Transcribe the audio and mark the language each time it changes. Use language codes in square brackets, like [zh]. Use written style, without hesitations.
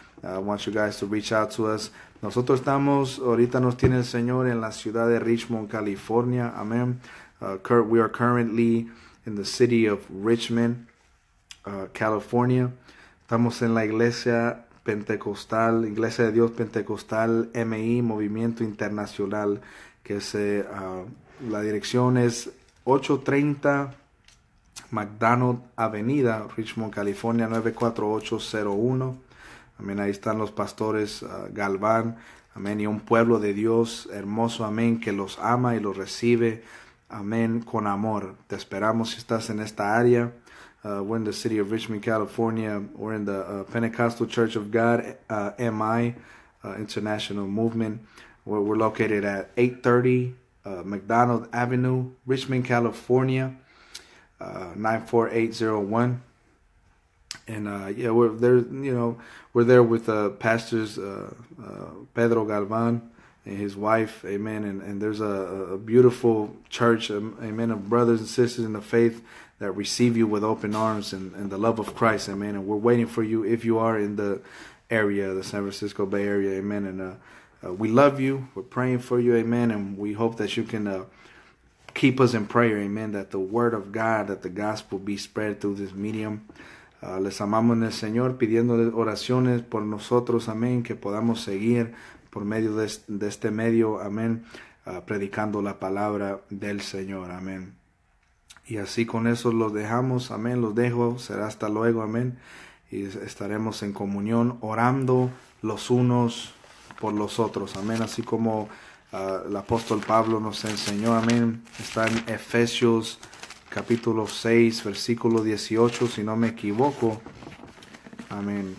[en] I want you guys to reach out to us. [es] Nosotros estamos, ahorita nos tiene el Señor en la ciudad de Richmond, California. [en] Amén. We are currently in the city of Richmond. California. [es] Estamos en la iglesia pentecostal, Iglesia de Dios Pentecostal MI, Movimiento Internacional, que es la dirección es 830 McDonald Avenida, Richmond, California, 94801. Amén, ahí están los pastores Galván, amén, y un pueblo de Dios hermoso, amén, que los ama y los recibe, amén, con amor. Te esperamos si estás en esta área. [en] We're in the city of Richmond, California. We're in the Pentecostal Church of God, MI, International Movement. We're located at 830 McDonald Avenue, Richmond, California, 94801. And yeah, we're there, we're there with pastors Pedro Galvan and his wife, amen. And there's a beautiful church, amen, of brothers and sisters in the faith that receive you with open arms and the love of Christ, amen. And we're waiting for you if you are in the area, the San Francisco Bay Area, amen. And we love you. We're praying for you, amen. And we hope that you can keep us in prayer, amen, that the word of God, that the gospel be spread through this medium. [es] Les amamos en el Señor, pidiéndoles oraciones por nosotros, amén, que podamos seguir por medio de este medio, amén, predicando la palabra del Señor, amén. Y así con eso los dejamos, amén, los dejo, será hasta luego, amén, y estaremos en comunión orando los unos por los otros, amén, así como el apóstol Pablo nos enseñó, amén, está en Efesios capítulo 6, versículo 18, si no me equivoco. Amén.